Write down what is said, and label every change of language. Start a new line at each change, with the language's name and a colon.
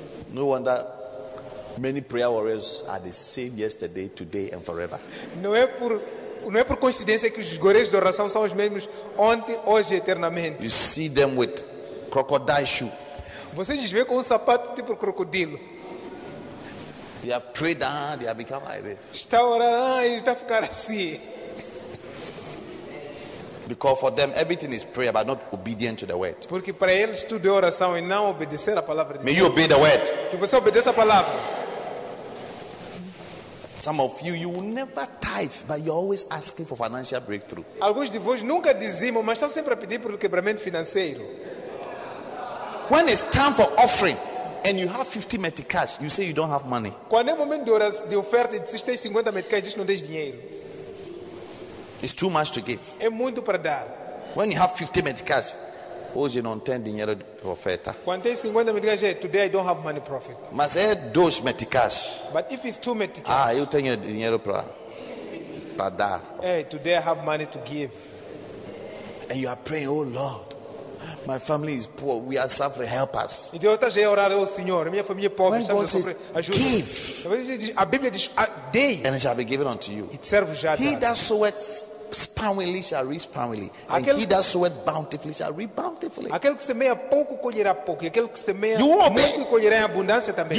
English: No wonder many prayer warriors are the same yesterday, today, and forever.
Portuguese: Não é por coincidência que os guerreiros de oração são os mesmos ontem, hoje e eternamente.
English: You see them with crocodile shoe.
Portuguese: Vocês os veem com um sapato tipo crocodilo.
English: They have prayed down, they have become like this.
Portuguese: Está orando e está a ficar assim.
English: Because for them everything is prayer but not obedient to the word.
Portuguese: Porque para eles tudo é oração e não obedecer à palavra de Deus.
English: May you obey the word.
Portuguese: Que você obedeça a palavra.
English: Some of you, you will never tithe, but you're always asking for financial breakthrough.
Portuguese: Alguns de vós nunca dizimam, mas estão sempre a pedir por quebramento financeiro.
English: When it's time for offering and you have 50 meticais, you say you don't have money.
Portuguese: Quando é momento de oferta e dizes que tens 50 meticais, dizes que não tens dinheiro.
English: It's too much to give.
Portuguese: É muito para dar.
English: When you have 50 meticais,
Portuguese: hoje não tem dinheiro de profeta. Quando tens 50 meticais,
English: today I don't have money, prophet.
Portuguese: Mas é 2 meticais.
English: But if it's 2 meticais.
Portuguese: Ah, eu tenho dinheiro para dar.
English: Hey, today I have money to give. And you are praying, oh Lord, my family is poor, we are suffering, help us.
Portuguese: E de outra vez orar, oh Senhor, minha família é pobre, estamos sofrendo, ajuda. A Bíblia diz, dei.
English: And it shall be given unto you. It serve já. He that soweth sparingly shall reap sparingly, and he that soweth bountifully shall reap bountifully.
Portuguese: Aquele que semeia pouco colherá pouco, e aquele que semeia muito colherá em abundância também.